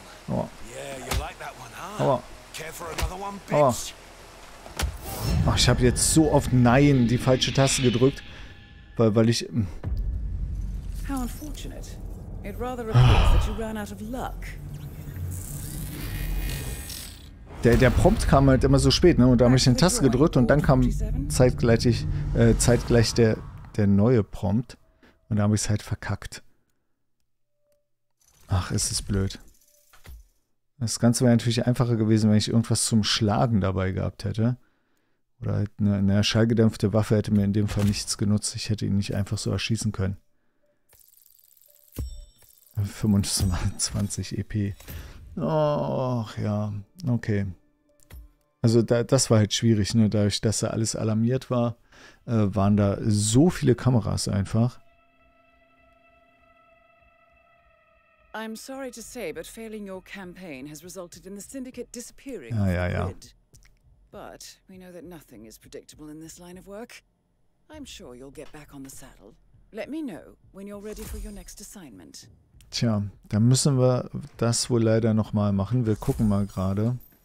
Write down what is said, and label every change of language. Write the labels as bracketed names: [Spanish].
[English] Oh. Yeah, you like that one, huh? Oh. Care for another one, bitch? Oh. [German] Ach, ich habe jetzt so oft Nein die falsche Taste gedrückt, weil ich. [English] How unfortunate. It rather appears that you ran out of luck. [German] Der Prompt kam halt immer so spät, ne? Und da habe ich den Taste gedrückt und dann kam zeitgleich der neue Prompt. Und da habe ich es halt verkackt. Ach, ist es blöd. Das Ganze wäre natürlich einfacher gewesen, wenn ich irgendwas zum Schlagen dabei gehabt hätte. Oder halt eine schallgedämpfte Waffe hätte mir in dem Fall nichts genutzt. Ich hätte ihn nicht einfach so erschießen können. 25 EP. Och ja, okay. Also das war halt schwierig, ne? Dadurch, dass da alles alarmiert war, waren da so viele Kameras einfach. [English] I'm sorry to say, but failing your campaign has resulted in the syndicate disappearing. [German] Ah, ja, ja. [English] But we know that nothing is predictable in this line of work. I'm sure you'll get back on the saddle. Let me know when you're ready for your next assignment. [German] Tja, dann müssen wir das wohl leider nochmal machen. Wir gucken mal gerade.